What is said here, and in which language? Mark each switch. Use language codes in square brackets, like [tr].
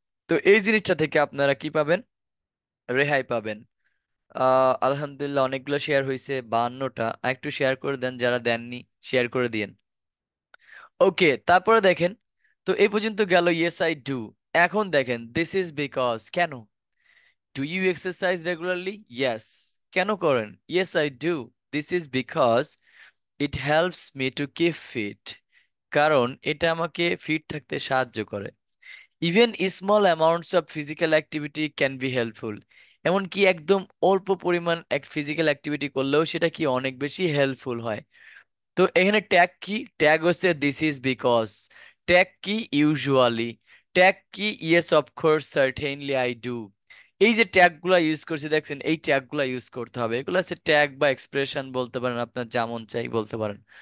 [bn] তো এই জিনিসটা থেকে আপনারা কি পাবেন, রেহাই পাবেন। আলহামদুলিল্লাহ অনেকগুলো শেয়ার হয়েছে, 52টা, একটু শেয়ার করে দেন, যারা দেননি শেয়ার করে দিন। ওকে তারপরে দেখেন, তো এই পর্যন্ত গেল [en] yes I do, [bn] এখন দেখেন [en] this is because, [bn] কেন [en] Do you exercise regularly? Yes. [bn] কেন করেন? [en] Yes, I do. This is because it helps me to keep fit. [bn] কারণ এটা আমাকে ফিট থাকতে সাহায্য করে। [en] Even small amounts of physical activity can be helpful. [bn] এমনকি একদম অল্প পরিমাণ এক ফিজিক্যাল অ্যাক্টিভিটি করলেও সেটা কি অনেক বেশি হেল্পফুল হয়। তো এখানে ট্যাগ কি? ট্যাগ হচ্ছে দিস ইজ বিকজ, ট্যাগ কি ইউজুয়ালি, ট্যাগ কি [en] Yes of course certainly I do. [bn] এই যে ট্যাগগুলো ইউজ করছে দেখছেন, এই ট্যাগগুলো ইউজ করতে হবে। এগুলো হচ্ছে ট্যাগ বা এক্সপ্রেশন বলতে পারেন, আপনার যেমন চাই বলতে পারেন।